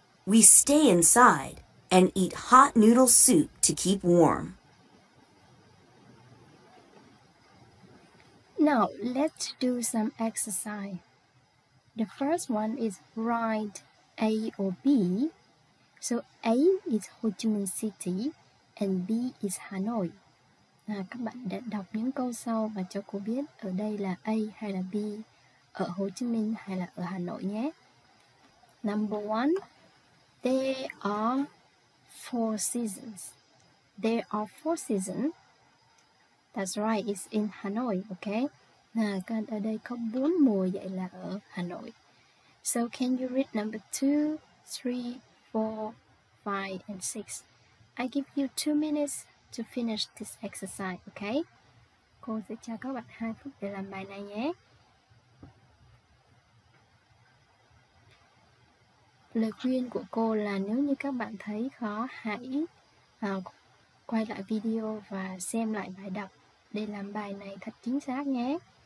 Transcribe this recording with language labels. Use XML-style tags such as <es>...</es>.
<en>We stay inside and eat hot noodle soup to keep warm. Now, let's do some exercise. The first one is write A or B. So, A is Ho Chi Minh City and B is Hanoi.</en> <vi>Các bạn đã đọc những câu sau và cho cô biết ở đây là A hay là B, ở Ho Chi Minh hay là ở Hà Nội nhé.</vi> <en>Number one, there are four seasons. There are four seasons. That's right, it's in Hanoi, okay?</en> <vi>Các bạn ở đây có bốn mùa, vậy là ở Hà Nội.</vi> <en>So, can you read number 2, 3, 4, 5, and 6? I give you 2 minutes to finish this exercise, okay?</en> <vi>Cô sẽ cho các bạn 2 phút để làm bài này nhé. Lời khuyên của cô là nếu như các bạn thấy khó, hãy quay lại video và xem lại bài đọc để làm bài này thật chính xác nhé.</vi>